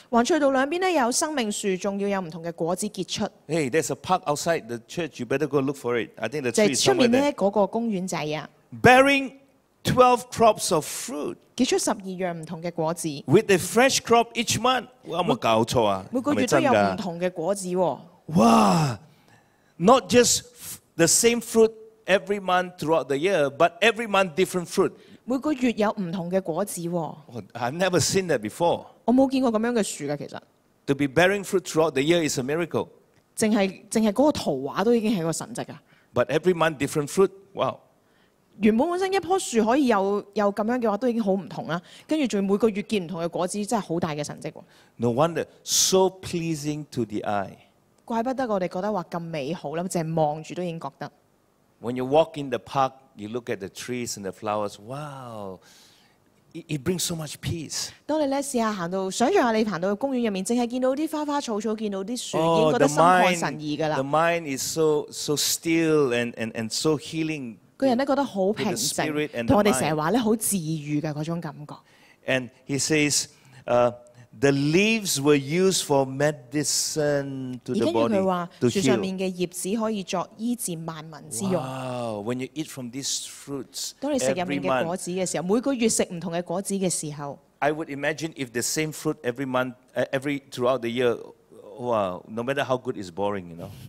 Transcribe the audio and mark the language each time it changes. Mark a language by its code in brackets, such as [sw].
[yue] 橫翠道兩邊有生命樹，仲要有唔同嘅果子結出。 [en] Hey, there's a park outside the church. You better go look for it. I think the tree is somewhere there. [yue] 就出面嗰個公園仔啊。 [en] Bearing 12 crops of fruit. [yue] 結出十二樣唔同嘅果子。 [en] With a fresh crop each month. [yue] 我冇搞錯啊。每個月都有唔同嘅果子喎。 [en] 哇 ！Not just the same fruit every month throughout the year, but every month different fruit. [yue] 每個月有唔同嘅果子。 [en] I've never seen that before. [yue] 我冇見過咁樣嘅樹㗎，其實。 [en] To be bearing fruit throughout the year is a miracle. [yue] 淨係嗰個圖畫都已經係個神蹟㗎。 [en] But every month different fruit, wow. [yue] 原本本身一棵樹可以有咁樣嘅話，都已經好唔同啦。跟住仲每個月見唔同嘅果子，真係好大嘅神蹟。 [en] No wonder, so pleasing to the eye. [yue] 怪不得我哋覺得話咁美好啦，淨係望住都已經覺得。 [en] When you walk in the park. You look at the trees and the flowers. Wow, it brings so much peace. [yue] 当你咧试下行到，想象下你行到公园入面，净系见到啲花花草草，见到啲树， oh, 已经觉得心旷神怡噶啦。 [en] The mind is so still and so healing. [yue] 个人咧觉得好平静，同我哋成日话咧好治愈嘅嗰种感觉。 [en] And he says, the leaves were used for medicine to the body. [yue] 树上面嘅叶子可以作医治万民之用。 [en] Wow! When you eat from these fruits, [yue] 当你食入面嘅果子嘅时候，每个月食唔同嘅果子嘅时候。 [en] I would imagine if the same fruit every month, every throughout the year, wow, no matter how good, it's boring, you know.